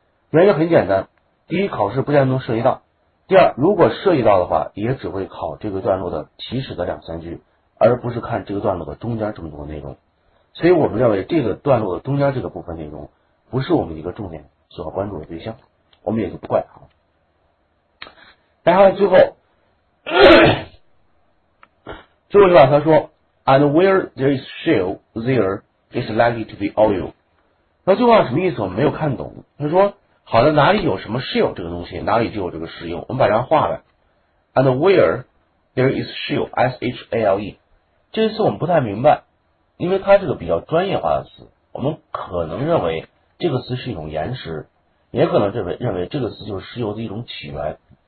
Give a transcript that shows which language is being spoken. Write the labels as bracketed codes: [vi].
[zh] 原因很简单，第一，考试不见得能涉及到；第二，如果涉及到的话，也只会考这个段落的起始的两三句，而不是看这个段落的中间这么多内容。所以我们认为这个段落的中间这个部分内容不是我们一个重点所要关注的对象，我们也就不怪他了。然后最后一段他说 [en] And where there is shale, there is likely to be oil。 [zh] 那最后什么意思我们没有看懂。他说好的，哪里有什么 shale 这个东西，哪里就有这个石油。我们把这样画了 [en] And where there is shale, S-H-A-L-E。 [zh] 这次我们不太明白，因为它是个比较专业化的词，我们可能认为这个词是一种岩石，也可能认为这个词就是石油的一种起源。